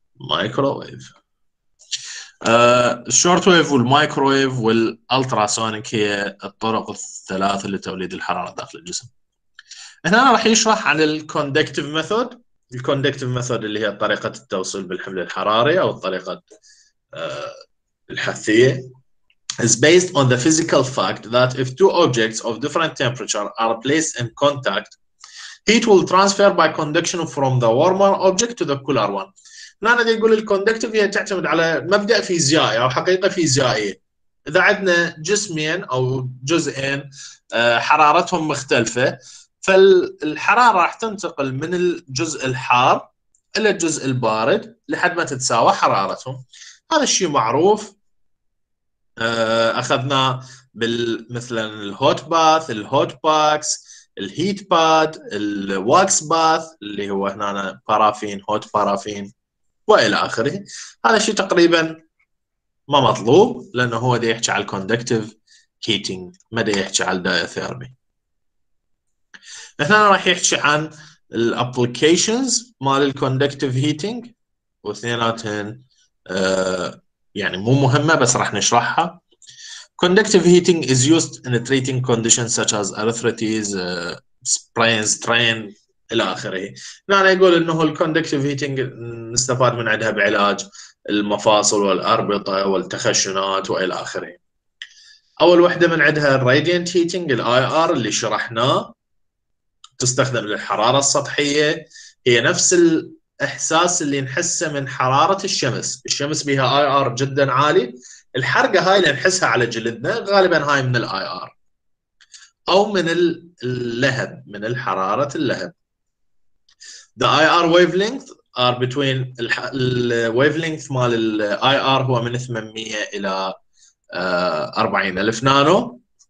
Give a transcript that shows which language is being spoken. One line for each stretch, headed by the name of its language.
Arabic: مايكرويف. الشورت ويف والمايكرويف والالتراسونيك هي الطرق الثلاثة لتوليد الحرارة داخل الجسم. هنا أنا راح يشرح عن الكوندكتيف ميثود. الكوندكتيف ميثود اللي هي طريقة التوصيل بالحمل الحراري أو الطريقة الحثية.
English: is based on the physical fact that if two objects of different temperature are placed in contact, heat will transfer by conduction from the warmer object to the cooler one.
Arabic: لا نقدر نقول الكوندكتيف هي تعتمد على مبدأ فيزيائي أو حقيقة فيزيائية. إذا عندنا جسمين أو جزئين حرارتهم مختلفة، فالحرارة راح تنتقل من الجزء الحار إلى الجزء البارد لحد ما تتساوى حرارتهم. هذا الشيء معروف، أخذناه مثلا الهوت باث، الهوت باكس، الهيت باد، الواكس باث اللي هو هنا بارافين، هوت بارافين والى اخره. هذا الشيء تقريبا ما مطلوب لانه هو دا يحكي على الكوندكتيف هيتنج، ما دا يحكي على الدايثيرمي. هنا راح يحكي عن الابلكيشنز مال الكوندكتيف هيتنج، واثنيناتهن يعني مو مهمه بس راح نشرحها.
English: Conductive heating is used in treating conditions such as arthritis, sprains, strain,
Arabic: الى اخره. يعني يقول انه الكوندكتيف هيتنج نستفاد من عندها بعلاج المفاصل والاربطه والتخشنات والى اخره. اول وحده من عندها الراديانت هيتنج الاي ار اللي شرحناه، تستخدم للحراره السطحيه. هي نفس الاحساس اللي نحسه من حراره الشمس. الشمس بها اي ار جدا عالي، الحرقه هاي اللي نحسها على جلدنا غالبا هاي من الاي ار او من اللهب، من حراره اللهب.
English: The IR wavelength are between the wavelength
Arabic: مال ال IR هو من 800 إلى 40,000 نانو.